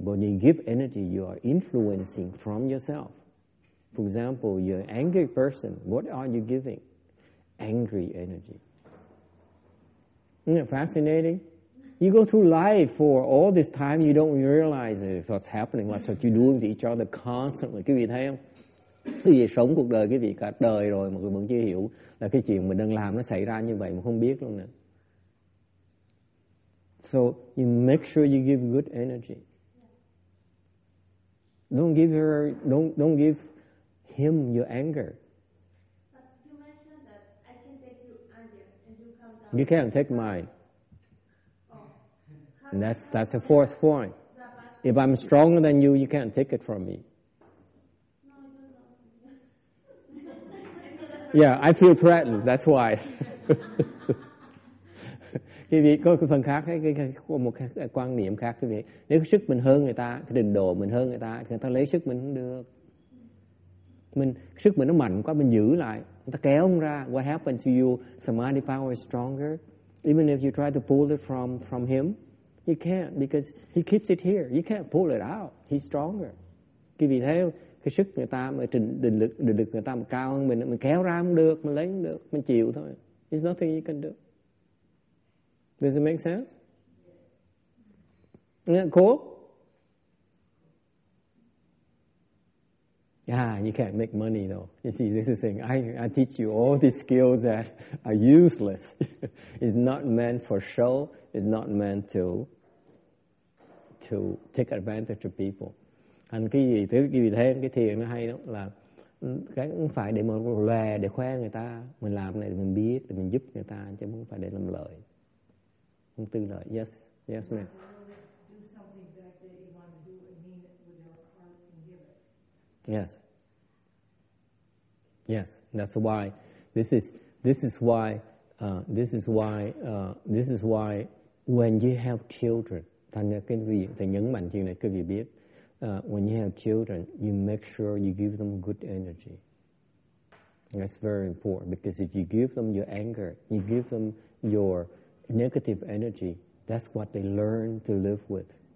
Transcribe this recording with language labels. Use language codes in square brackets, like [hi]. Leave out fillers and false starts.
[en] But when you give energy, you are influencing from yourself. For example, you're an angry person. What are you giving? Angry energy. Isn't it fascinating? You go through life for all this time, you don't realize it. What's happening, what's what you're doing to each other constantly. [vi] Quý vị thấy không? Quý vị sống cuộc đời, quý vị cả đời rồi mà vẫn chưa hiểu là cái chuyện mình đang làm nó xảy ra như vậy mà không biết luôn nè. [en] So you make sure you give good energy. Don't give him your anger. But you mentioned that I can take your anger and you calm down. You can't take mine. That's the fourth point. If I'm stronger than you, you can't take it from me. Yeah, I feel threatened. That's why. [vi] Thì vì có cái phần khác ấy, cái một cái quan niệm khác thì nếu cái sức mình hơn người ta, cái trình độ mình hơn người ta lấy sức mình không được. Mình sức mình nó mạnh quá mình giữ lại, người ta kéo không ra. [en] What happens to you? Samadhi power is stronger. Even if you try to pull it from him, you can't because he keeps it here. You can't pull it out. He's stronger. [vi] Thì vì thế cái sức người ta mà định lực người ta mà cao hơn mình kéo ra không được, mình lấy không được, mình chịu thôi. [en] It's nothing you can do. Does it make sense? Isn't that cool? Yeah, you can't make money though. You see, this is saying I teach you all these skills that are useless. It's not meant for show. It's not meant to take advantage of people. [vi] Anh cái gì thứ gì thêm cái thiền nó hay đó là cái không phải để mà lòe để khoe người ta, mình làm này mình biết để mình giúp người ta chứ không phải để làm lợi. Không tư lợi. [en] Yes, yes ma'am. Yes. Yes, that's why this is why when you have children, [vi] thành ra cái vị thầy nhấn mạnh chuyện này cái vị biết. [en] When you have children, you make sure you give them good energy. That's very important because if you give them your anger, you give them your negative energy, that's what they learn to live with.